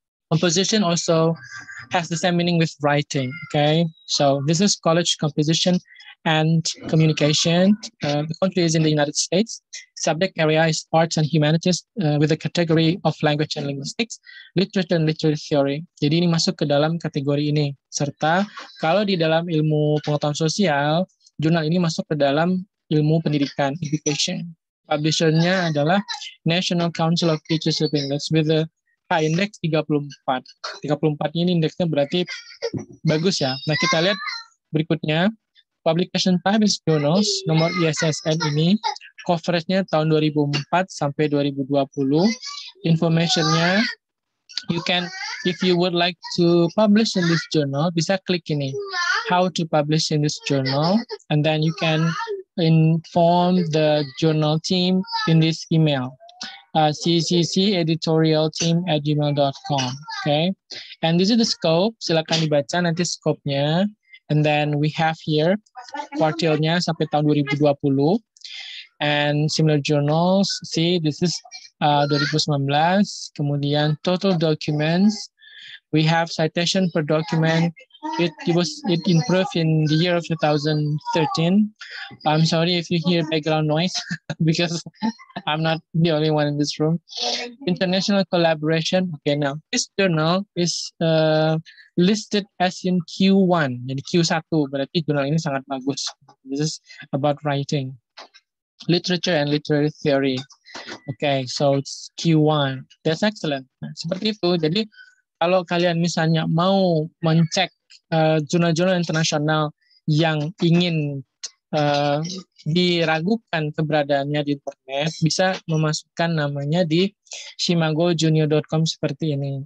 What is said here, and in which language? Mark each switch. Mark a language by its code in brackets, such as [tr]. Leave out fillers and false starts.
[en] Composition also has the same meaning with writing, okay? So this is college composition and communication. The country is in the United States. Subject area is arts and humanities with a category of language and linguistics, literature and literary theory. [id] Jadi ini masuk ke dalam kategori ini. Serta kalau di dalam ilmu pengetahuan sosial, jurnal ini masuk ke dalam ilmu pendidikan, education. Publishernya adalah National Council of Teachers of English [en] with a H-index 34. [id] 34 ini indeksnya berarti bagus ya. Nah, kita lihat berikutnya. [en] Publication type is journals, [id] nomor ISSN ini. Coverage-nya tahun 2004 sampai 2020. [en] Information-nya, you can, if you would like to publish in this journal, [id] bisa klik ini. [en] How to publish in this journal. And then you can inform the journal team in this email. ccceditorialteam@gmail.com. Okay. And this is the scope. [id] Silakan dibaca nanti scope-nya. [en] And then we have here [id] kuartilnya sampai tahun 2020. [en] And similar journals. See, this is 2019. Kemudian total documents. We have citation per document. It improved in the year of 2013. I'm sorry if you hear background noise because I'm not the only one in this room. International collaboration. Okay, now this journal is listed as in Q1. [id] Jadi Q1 berarti jurnal ini sangat bagus. [en] This is about writing, literature and literary theory. Okay, so it's Q1. That's excellent. [id] Nah, seperti itu. Jadi kalau kalian misalnya mau mencek jurnal-jurnal internasional yang ingin diragukan keberadaannya di internet, bisa memasukkan namanya di shimagojunior.com seperti ini.